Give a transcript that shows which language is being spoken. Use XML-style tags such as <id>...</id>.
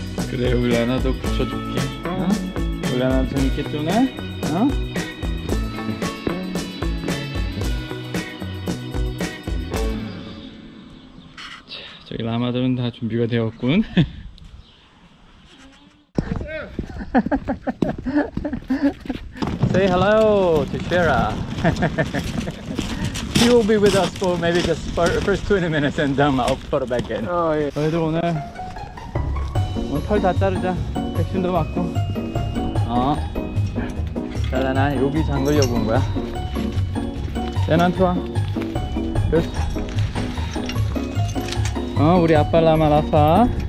<ko>그래, 우리 레나도 붙여줄게. 어? 우리 레나 좀 이렇게 좀 해. 어? 자, 저기 라마들은 다 준비가 되었군.</ko> <en>하하하하하. Say hello to Shira. She will be with us for maybe just for the first 20 minutes and then I'll put her back in.</en> <ko>어, 예. 너희들 오늘 털 다 자르자. 백신도 맞고. 어. 자, 나 여기 잠그려고 온 거야. 대난 투하. 끝. 어, 우리 아빠 라마 라파.</ko>